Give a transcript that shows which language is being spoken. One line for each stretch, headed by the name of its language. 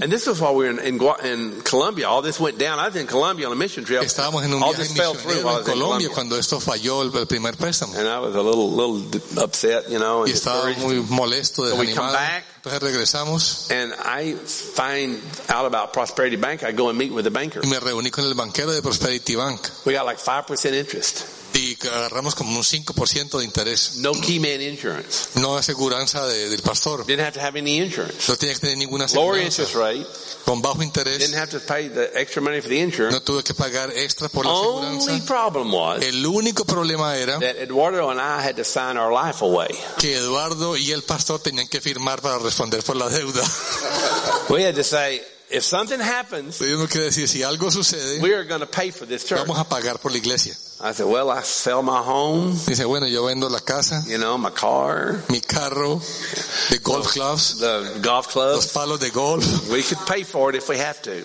English: And this was while we were in Colombia. All this went down. I was in Colombia on a mission trip.
Spanish: Estábamos en un viaje misionero en Colombia cuando esto falló el primer préstamo.
English: And I was a little upset, you know.
Spanish: Y estaba muy molesto, desanimado.
English: So we come back.
Spanish: Entonces regresamos.
English: And I find out about Prosperity Bank. I go and meet with the banker.
Spanish: Y me reuní con el banquero de Prosperity Bank.
English: We got like 5% interest.
Spanish: Y agarramos como un 5% de interés.
English: No key man insurance.
Spanish: No aseguranza del pastor.
English: Didn't have to have any insurance.
Spanish: No tenía que tener ninguna aseguranza.
English: Lower interest rate.
Spanish: Con bajo interés.
English: Didn't have to pay the extra money for the insurance.
Spanish: No tuve que pagar extra por la aseguranza.
English: Only problem was,
Spanish: el único problema era
English: that Eduardo and I had to sign our life away.
Spanish: Que Eduardo y el pastor tenían que firmar para responder por la deuda.
English: We had to say, if something happens,
Spanish: tuvimos que decir, si algo sucede,
English: we are going to pay for this church.
Spanish: Vamos a pagar por la iglesia.
English: I said, well, I sell my home.
Spanish: Dice, bueno, yo vendo la casa.
English: You know, my car.
Spanish: Mi carro.
English: The golf clubs. The golf clubs.
Spanish: Los palos de golf.
English: We could pay for it if we have to.